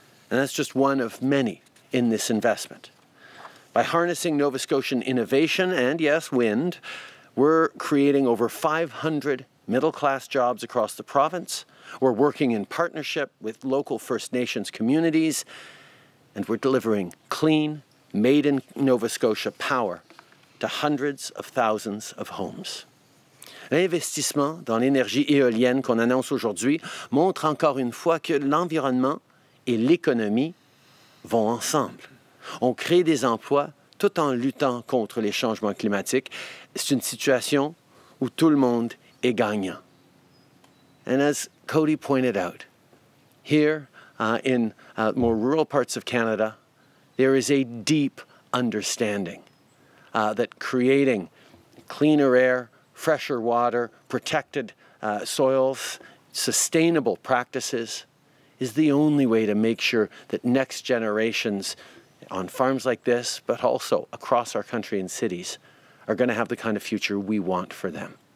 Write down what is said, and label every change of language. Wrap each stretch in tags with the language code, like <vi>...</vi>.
<en>And that's just one of many in this investment. By harnessing Nova Scotian innovation and, yes, wind, we're creating over 500 middle-class jobs across the province. We're working in partnership with local First Nations communities, and we're delivering clean, made in Nova Scotia power to hundreds of thousands of homes.</en> <fr>L'investissement dans l'énergie éolienne qu'on annonce aujourd'hui montre encore une fois que l'environnement et l'économie vont ensemble. On crée des emplois tout en luttant contre les changements climatiques. C'est une situation où tout le monde est gagnant.</fr> <en>And as Cody pointed out, here in more rural parts of Canada, there is a deep understanding that creating cleaner air, fresher water, protected soils, sustainable practices is the only way to make sure that next generations on farms like this, but also across our country and cities, are going to have the kind of future we want for them.</en>